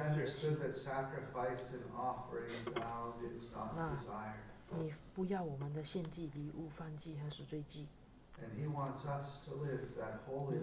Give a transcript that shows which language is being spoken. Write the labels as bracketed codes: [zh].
[en] He understood that sacrifice and offerings thou didst not desire. [zh] 你不要我们的献祭、礼物、燔祭和赎罪祭。 [en] And he wants us to live that holy life.